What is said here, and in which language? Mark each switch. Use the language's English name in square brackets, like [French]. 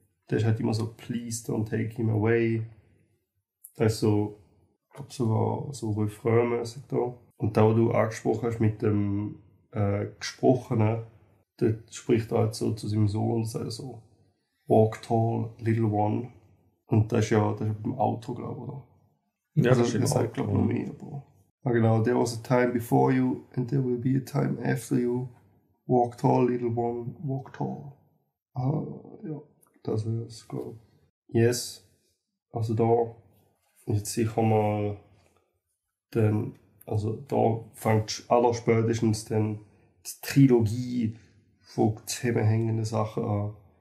[German] Der ist halt immer so, [English] please don't take him away. [German] Das ist so, ich glaube sogar so Refrain-mäßig da. Und da, wo du angesprochen hast mit dem Gesprochenen, der spricht er halt so zu seinem Sohn, das heißt so, [English] walk tall, little one. [German] Und das ist ja beim Auto, glaube ich, oder? Ja, also, das ist glaube ich, noch mehr. Aber genau, [English] there was a time before you and there will be a time after you. Walk tall, little one, walk tall. [German] Ah, ja, das ist es, glaube ich. Yes, also da, jetzt sicher mal den. Also da fängt allerspätestens dann die Trilogie von zusammenhängenden Sachen an.